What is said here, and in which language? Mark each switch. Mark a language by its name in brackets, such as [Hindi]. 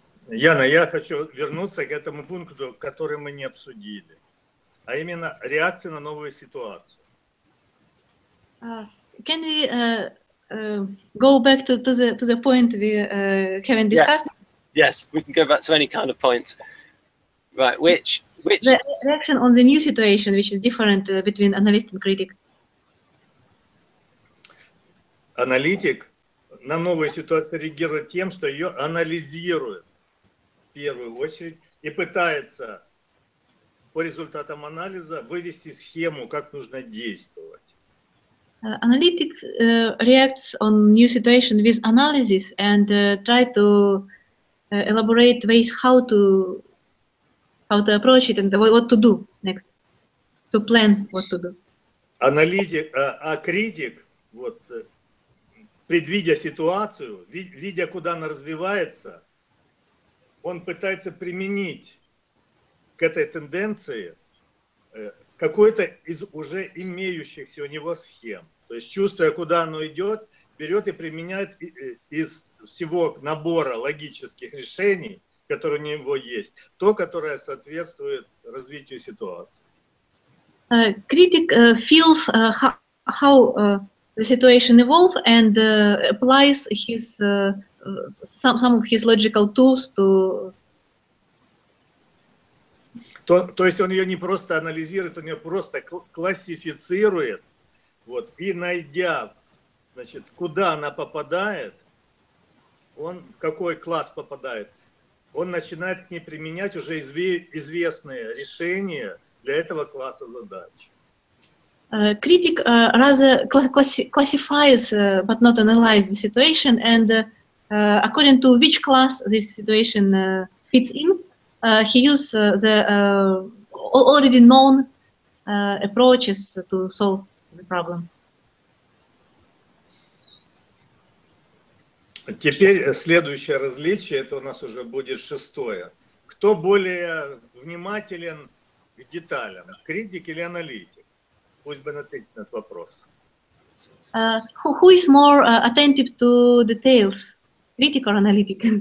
[Russian] Яна, я хочу вернуться к этому пункту, который мы не обсудили, а именно реакция на новую ситуацию. [English] Can we go back to the point we haven't discussed? Yes. Yes, we can go back to any kind of point. Right, which? The reaction on the new situation, which is different between analyst and critic. [Russian] Аналитик на новую ситуацию реагирует тем, что ее анализирует в первую очередь и пытается по результатам анализа вывести схему, как нужно действовать. [English] Analytic reacts on new situation with analysis and try to elaborate ways how to approach it and what to do next, to plan what to do. [Russian] Аналитик, а критик, предвидя ситуацию, видя, куда она развивается, он пытается применить к этой тенденции какой-то из уже имеющихся у него схем. То есть, чувствуя, куда оно идет, берет и применяет из всего набора логических решений, которые у него есть, то, которое соответствует развитию ситуации. [English] Critic feels the situation evolves and applies his some of his logical tools to. [Russian] То есть он ее не просто анализирует, он ее просто классифицирует, вот, и найдя, значит, куда она попадает, он в какой класс попадает, он начинает к ней применять уже известные решения для этого класса задач. [English] Critic rather classifies, but not analyzes the situation, and according to which class this situation fits in, he uses the already known approaches to solve the problem. [Russian] Теперь следующее различие, это у нас уже будет шестое. Кто более внимателен к деталям, критик или аналитик? пусть Бен ответит на этот вопрос. [English] Who is more attentive to details, critic or analytic?